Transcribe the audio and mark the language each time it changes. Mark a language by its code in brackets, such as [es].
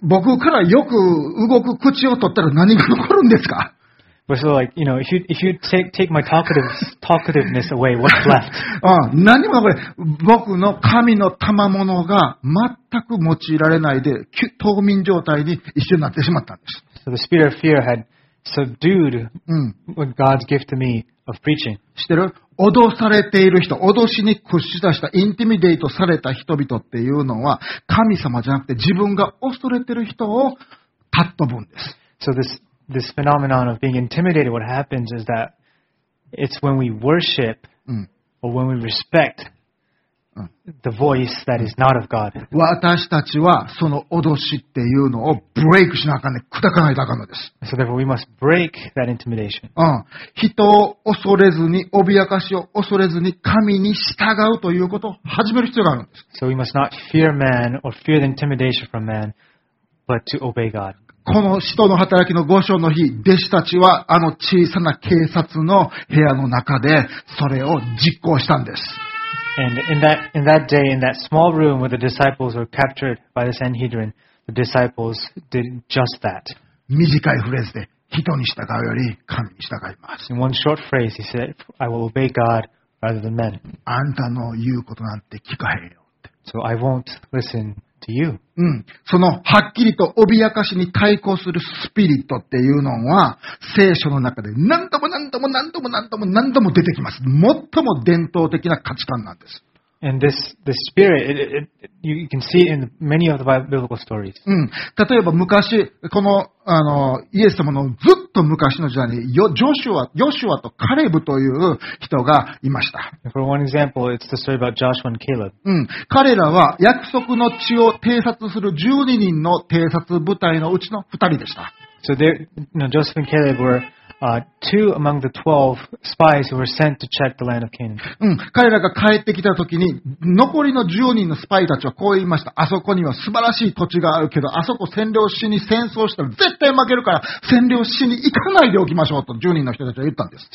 [ja] 僕からよく動く口を取ったら何が残るんですか？ [en] But so like, you know, if you take my talkativeness away, what's left? [ja] 何も残る。僕の神の賜物が全く用いられないで、冬眠状態に一緒になってしまったんです。 [en] So the spirit of fear had subdued God's gift to me of preaching. [ja] 知ってる？脅されている人、脅しに屈し出した、インティミデートされた人々っていうのは、神様じゃなくて自分が恐れている人を尊ぶんです。 [en] So this phenomenon of being intimidated, what happens is that it's when we worship or when we respect the voice that is not of God. [ja] 私たちはその脅しっていうのをブレイクしなあかんね、砕かないとあかんのです。 [en] So therefore we must break that intimidation. [ja] 人を恐れずに、脅かしを恐れずに、神に従うということを始める必要があるんです。 [en] So we must not fear man or fear the intimidation from man, but to obey God. [ja] この使徒の働きの5章の日、弟子たちはあの小さな警察の部屋の中でそれを実行したんです。 [en] And in that day, in that small room where the disciples were captured by the Sanhedrin, the disciples did just that. [ja] 短いフレーズで、人に従うより神に従います。 [en] In one short phrase, he said, I will obey God rather than men. [ja] あんたの言うことなんて聞かへんよって。 [en] So I won't listen to you.、 [ja] うん、そのはっきりと脅かしに対抗するスピリットっていうのは聖書の中で何度も何度も何度も何度も何度も出てきます。最も伝統的な価値観なんです。 [en] And this spirit, you can see it in many of the biblical stories.、 [ja] うん、例えば昔、この、イエス様のずっと昔の時代に、ヨシュアとカレブという人がいました。 [en] For one example, it's the story about Joshua and Caleb. [ja] うん。彼らは約束の地を偵察する12人の偵察部隊のうちの2人でした。 [en] So they, you know, Joseph and Caleb were,two among the 12 spies who were sent to check the land of Canaan. [ja] うん。彼らが帰ってきた時に、残りの10人のスパイたちはこう言いました。あそこには素晴らしい土地があるけど、あそこ占領しに戦争したら絶対負けるから、占領しに行かないでおきましょうと10人の人たちは言ったんです。